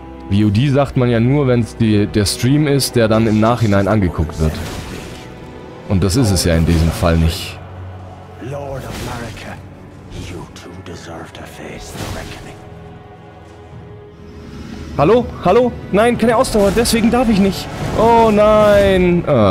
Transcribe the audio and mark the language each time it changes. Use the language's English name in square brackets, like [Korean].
[German] VOD sagt man ja nur, wenn es der Stream ist, der dann im Nachhinein angeguckt wird. Und das ist es ja in diesem Fall nicht. [English] Lord of America, you too deserve to face the reckoning. [German] Hallo? Hallo? Nein, keine Ausdauer, deswegen darf ich nicht. Oh nein!